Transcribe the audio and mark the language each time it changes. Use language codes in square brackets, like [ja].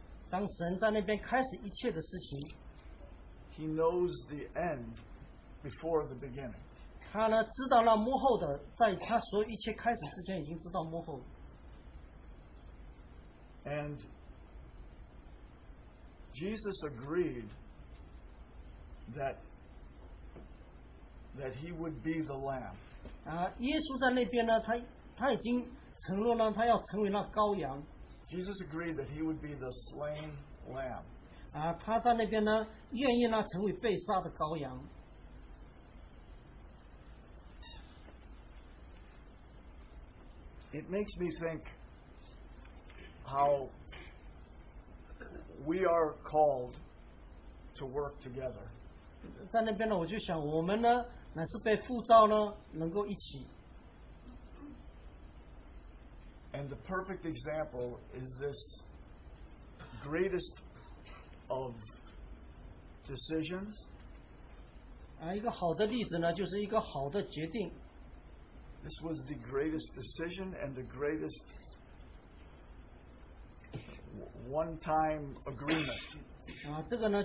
[zh] 当神在那边开始一切的事情, [en] He knows the end before the beginning. [zh] 他呢，知道了幕后的，在他所有一切开始之前已经知道幕后。 [en] And Jesus agreed that he would be the lamb. [zh] 耶稣在那边呢，他已经承诺了，他要成为那羔羊。 [en] Jesus agreed that he would be the slain lamb. [zh] 他在那边呢，愿意呢，成为被杀的羔羊。 [en] It makes me think how we are called to work together. [zh] 在那边呢，我就想我们呢。乃是被呼召呢, [en] and the perfect example is this greatest of decisions. [zh] 一个好的例子呢，就是一个好的决定。 [en] This was the greatest decision and the greatest one-time agreement.